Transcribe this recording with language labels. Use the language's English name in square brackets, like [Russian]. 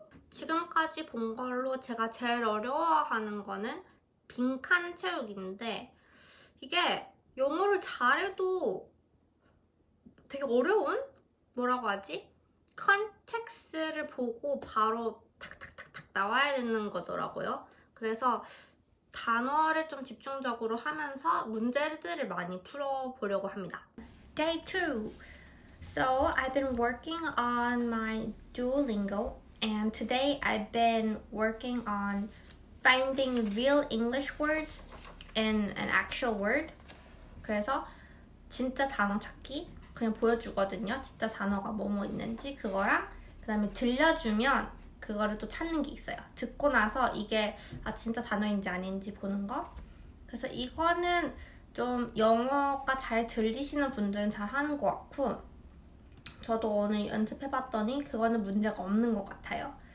[Korean] 지금까지 본 걸로 제가 제일 어려워하는 거는 빈칸 채우기인데 이게 영어를 잘해도 되게 어려운? 뭐라고 하지? 컨텍스트를 보고 바로 탁탁탁탁 나와야 되는 거더라고요. 그래서 단어를 좀 집중적으로 하면서 문제들을 많이 풀어보려고 합니다. [English] Day 2. So I've been working on my Duolingo and today I've been working on finding real English words in an actual word. [Korean] 그래서 진짜 단어 찾기 그냥 보여주거든요. 진짜 단어가 뭐뭐 있는지 그거랑 그 다음에 들려주면 그거를 또 찾는 게 있어요. 듣고 나서 이게 아 진짜 단어인지 아닌지 보는 거. 그래서 이거는 좀 영어가 잘 들리시는 분들은 잘 하는 것 같고 저도 오늘 연습해봤더니 그거는 문제가 없는 것 같아요.